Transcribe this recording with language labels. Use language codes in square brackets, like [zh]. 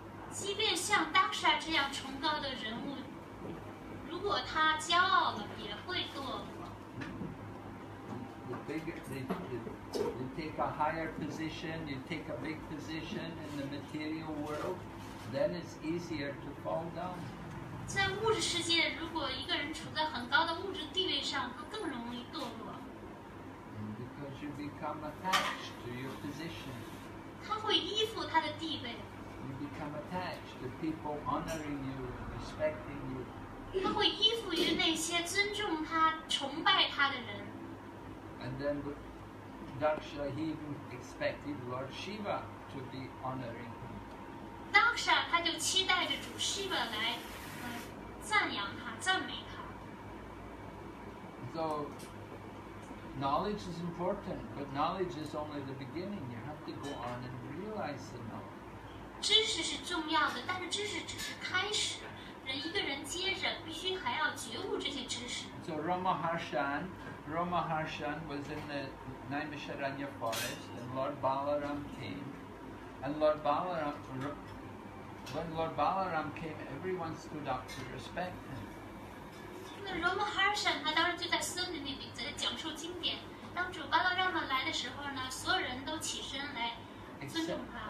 [zh] 即便像 Daksha 这样崇高的人物，如果他骄傲了，也会堕落。 [en] You take a higher position, you take a big position in the material world, then it's easier to fall down. [zh] 在物质世界，如果一个人处在很高的物质地位上，他更容易堕落。 [en] Because you become attached to your position. [zh] 他会依附他的地位。 [en] You become attached to people honoring you, respecting you. [zh] 他会依附于那些尊重他、崇拜他的人。 [en] And then Daksha, he even expected Lord Shiva to be honoring him. [zh] Daksha, 他就期待着主 Shiva 来赞扬他，赞美他。 [en] So, knowledge is important, but knowledge is only the beginning. You have to go on and realize the knowledge. [zh] 知识是重要的，但是知识只是开始。人一个人接着必须还要觉悟这些知识。 [en] So, Ramaharshan was in the Naimisharanya forest, and Lord Balaram came. When Lord Balaram came, everyone stood up to respect him. [zh] Ramaharshan, 他当时就在森林里面在讲述经典。当主巴拉拉姆来的时候呢，所有人都起身来尊重他。